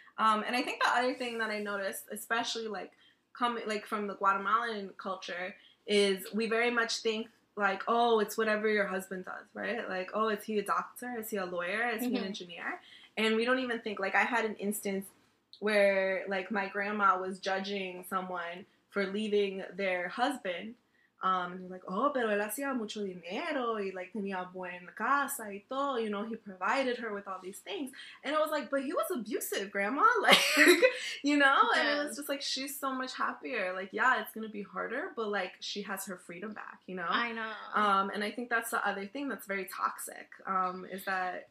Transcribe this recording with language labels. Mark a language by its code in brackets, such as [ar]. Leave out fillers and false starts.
[en] And I think the other thing that I noticed, especially, like, coming, like, from the Guatemalan culture, is we very much think, like, oh, it's whatever your husband does, right? Like, oh, is he a doctor? Is he a lawyer? Is he an engineer? And we don't even think, like, I had an instance where, like, my grandma was judging someone for leaving their husband. And they're like, oh, [es] pero él hacía mucho dinero y, like, tenía buena casa y todo. [en] You know, he provided her with all these things. And I was like, but he was abusive, grandma. Like, you know? Yes. And it was just like, she's so much happier. Like, yeah, it's going to be harder, but, like, she has her freedom back, you know? I know. And I think that's the other thing that's very toxic, is that